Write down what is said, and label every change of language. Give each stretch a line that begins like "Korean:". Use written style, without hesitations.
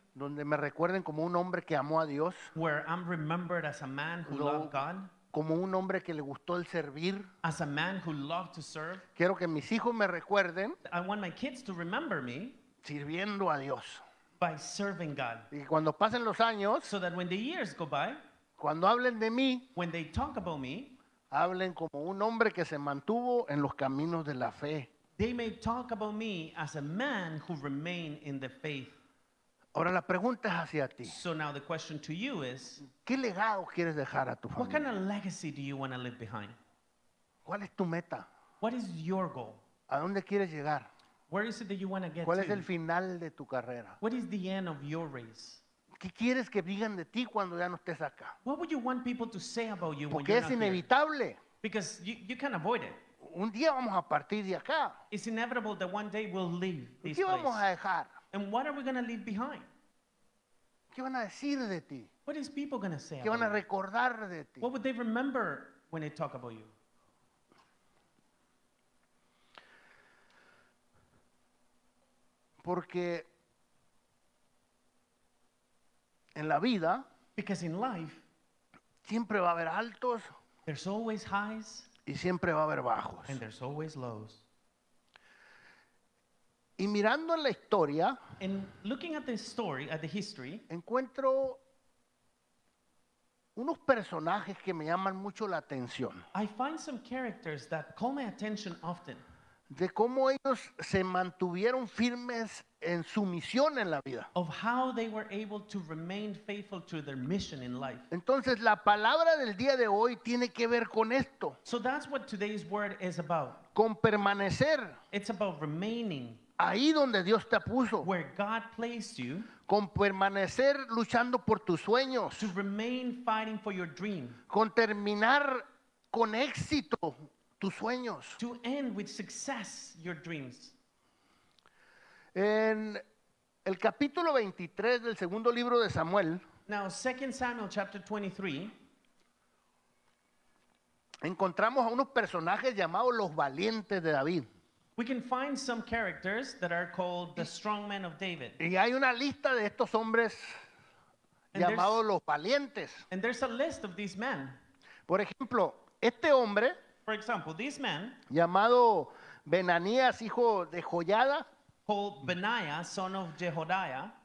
Spanish: Donde me recuerden como un hombre que amó a Dios.
English: Where I'm remembered as a man who loved God.
Spanish: Como un hombre que le gustó el servir.
English: As a man who loved to serve.
Spanish: Quiero que mis hijos me recuerden.
English: I want my kids to remember me.
Spanish: Sirviendo a Dios.
English: By serving God.
Spanish: Y cuando pasen los años.
English: So that when the years go by.
Spanish: Cuando hablen de mí.
English: When they talk about me.
Spanish: Hablen como un hombre que se mantuvo en los caminos de la fe.
English: They may talk about me as a man who remained in the faith.
Spanish: Ahora la pregunta es hacia ti.
English: So now the question to you is.
Spanish: ¿Qué legado quieres dejar a tu
English: what
Spanish: familia?
English: What kind of legacy do you want to leave behind?
Spanish: ¿Cuál es tu meta?
English: What is your goal?
Spanish: ¿A dónde quieres llegar?
English: Where is it that you want to get to?
Spanish: ¿Cuál es el final de tu carrera?
English: What is the end of your race?
Spanish: ¿Qué quieres que digan de ti cuando ya no estés acá?
English: What would you want people to say about you
Spanish: porque
English: when you're
Spanish: es inevitable.
English: Not here? Because you can't avoid it.
Spanish: Un día vamos a partir de acá.
English: It's inevitable that one day we'll leave this
Spanish: ¿qué
English: place.
Spanish: Vamos a dejar?
English: And what are we going to leave behind?
Spanish: ¿Qué van a decir de ti?
English: What is people going to say?
Spanish: ¿Qué van a recordar de ti?
English: What would they remember when they talk about you?
Spanish: Porque en la vida,
English: because in life,
Spanish: siempre va a haber altos,
English: there's always highs,
Spanish: y siempre va a haber bajos,
English: and there's always lows.
Spanish: Y mirando en la historia,
English: and looking at the story, at the history,
Spanish: encuentro unos personajes que me llaman mucho la atención.
English: I find some characters that call my attention often.
Spanish: De cómo ellos se mantuvieron firmes en su misión en la vida.
English: Of how they were able to remain faithful to their mission in life.
Spanish: Entonces la palabra del día de hoy tiene que ver con esto.
English: So that's what today's word is about.
Spanish: Con permanecer.
English: It's about remaining.
Spanish: Ahí donde Dios te puso.
English: Where God placed you.
Spanish: Con permanecer luchando por tus sueños.
English: To remain fighting for your dream.
Spanish: Con terminar con éxito tus sueños.
English: To end with success your dreams.
Spanish: En el capítulo 23 del segundo libro de Samuel.
English: Now, 2 Samuel chapter 23.
Spanish: Encontramos a unos personajes llamados los valientes de David.
English: We can find some characters that are called the strong men of David.
Spanish: Y hay una lista de estos hombres llamados los valientes.
English: And there's a list of these men.
Spanish: Por ejemplo, este hombre,
English: for example, this man,
Spanish: llamado Benanías, hijo de Joyada,
English: called Benaiah, son of Jehoiada,